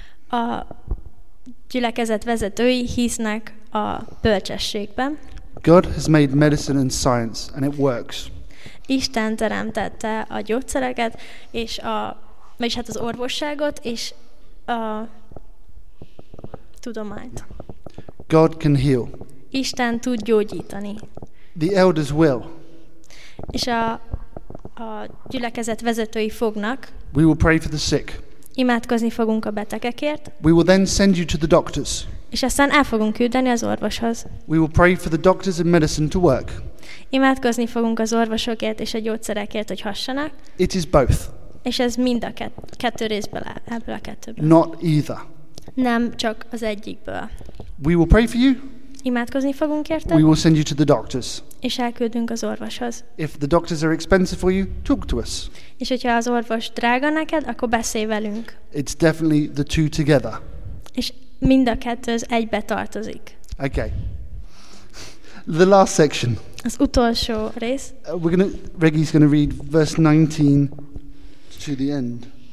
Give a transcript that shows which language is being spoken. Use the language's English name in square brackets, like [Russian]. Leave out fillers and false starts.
[Hungarian] A gyülekezet vezetői hisznek a bölcsességben. [English] God has made medicine and science, and it works. [Hungarian] Isten teremtette a gyógyszereket és a, vagyis hát az orvosságot és a tudományt. [English] God can heal. [Hungarian] Isten tud gyógyítani. [English] The elders will. [Hungarian] És a gyülekezet vezetői fognak. [English] We will pray for the sick. [Hungarian] Imádkozni fogunk a betegekért. [English] We will then send you to the doctors. [Hungarian] És aztán el fogunk küldeni az orvoshoz. [English] We will pray for the doctors and medicine to work. [Hungarian] Imádkozni fogunk az orvosokért és a gyógyszerekért, hogy hassanak. [English] It is both. [Hungarian] És ez mind a kettő részből áll, ebből a kettőből. [English] Not either. [Hungarian] Nem csak az egyikből. [English] We will pray for you. [Hungarian] Imádkozni fogunk érted. [English] We will send you to the doctors. [Hungarian] És elküldünk az orvoshoz. [English] If the doctors are expensive for you, talk to us. [Hungarian] És hogyha az orvos drága neked, akkor beszélj velünk. [English] It's definitely the two together. [Hungarian] És mind a kettő az egybe tartozik. [English] Okay. The last section. [Hungarian] Az utolsó rész. [English] Reggie's going to read verse 19 to the end.